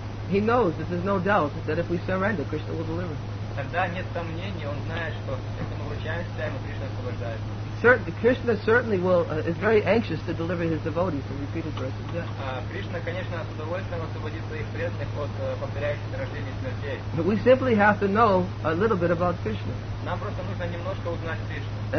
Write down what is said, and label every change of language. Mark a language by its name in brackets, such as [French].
[English] He knows that there's no doubt that if we surrender, Krishna will deliver. [Russian] Тогда нет сомнений, он знает, что если мы вручаемся ему, Кришна освобождает. [English] Krishna certainly will is very anxious to deliver his devotees from repeated births. Yeah. [Russian] Krishna, конечно, с удовольствием освободит своих преданных от повторяющихся рождений и смертей. [English] But we simply have to know a little bit about Krishna. [Russian] Нам просто нужно немножко узнать Кришну.